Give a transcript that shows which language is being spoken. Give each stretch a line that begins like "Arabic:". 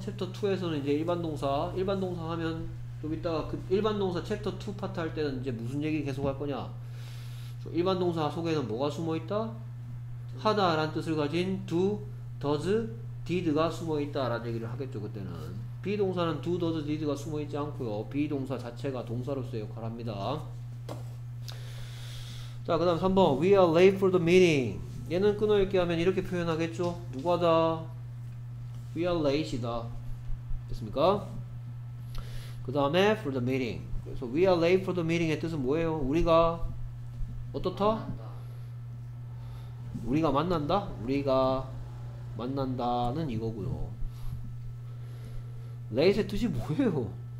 Korean: 챕터 2에서는 이제 일반동사. 일반동사 하면 좀 이따가 그 일반동사 챕터 2 파트 할 때는 이제 무슨 얘기 계속 할 거냐. 일반동사 속에는 뭐가 숨어 있다? 하다 라는 뜻을 가진 do, does, did가 숨어있다 라는 얘기를 하겠죠. 그때는 비동사는 do, does, did가 숨어있지 않고요. 비동사 자체가 동사로서의 역할을 합니다. 자, 그 다음 3번
English: we are late for the meeting.
Korean: 얘는 끊어있게 하면 이렇게 표현하겠죠. 누가다?
English: we are late
Korean: 이다. 됐습니까? 그 다음에
English: for the meeting.
Korean: 그래서
English: we are late for the meeting의
Korean: 뜻은 뭐예요? 우리가 어떻다? 우리가 만난다? 우리가 만난다는 이거고요. late의 뜻이 뭐예요?